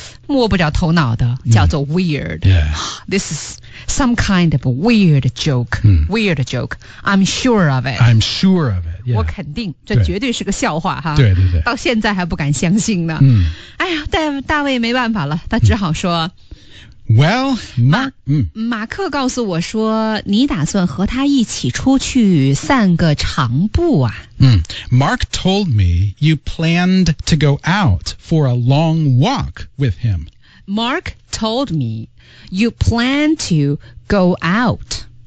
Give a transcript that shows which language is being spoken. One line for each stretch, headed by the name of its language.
Chinese: 摸不着头脑的叫做
English: weird、This is some kind of weird joke、weird joke I'm sure of it I'm sure of it、
Chinese: 我肯定这绝对是个笑话哈。对对对到现在还不敢相信呢、哎呀 大卫没办法了他只好说、
English: Well, Mark,
Chinese: 马克告诉我说你打算和他一起出去散个长步啊。
English: Mark told me you planned to go out for a long walk with him. Mark told me you plan to go out.